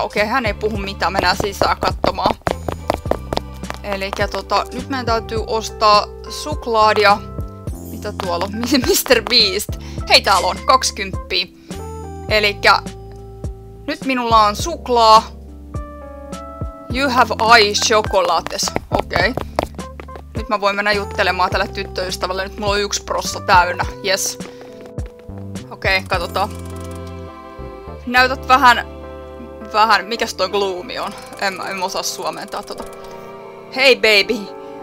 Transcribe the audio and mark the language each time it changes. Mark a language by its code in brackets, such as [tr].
[fi] Okei, hän ei puhu mitään. Mennään sisään katsomaan. Elikkä nyt meidän täytyy ostaa suklaadia. Mitä tuolla on? Mr. Beast. Hei, täällä on 20. Elikkä nyt minulla on suklaa. [en] You have ice chocolates. Okei. [fi] Nyt mä voin mennä juttelemaan tälle tyttöystävälle. Nyt mulla on 1% täynnä. Yes. Okei, katsotaan. Näytät vähän, mikäs toi gloomi on? En osaa suomentaa Hei baby!